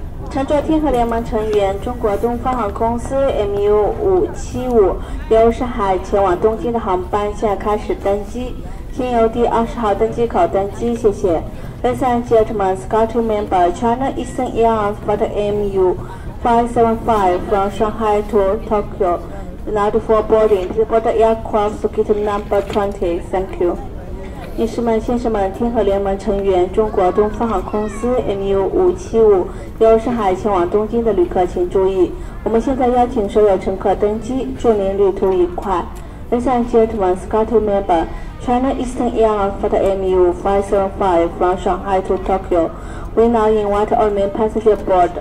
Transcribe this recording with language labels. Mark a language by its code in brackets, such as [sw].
[zh] 乘坐天河联盟成员中国东方航空公司 MU575 由上海前往东京的航班现在开始登机，请由第20号登机口登机，谢谢。 [en] Ladies and gentlemen, SkyTeam member China Eastern Airlines for the MU575 from Shanghai to Tokyo not for boarding. Please board aircraft gate number 20. Thank you. [zh] 女士们、先生们，天河联盟成员中国东方航空公司 MU575 由上海前往东京的旅客请注意，我们现在邀请所有乘客登机，祝您旅途愉快。 [en] Ladies and gentlemen, SkyTeam member China Eastern Airlines for the MU575 from Shanghai to Tokyo, we now invite all main passengers aboard.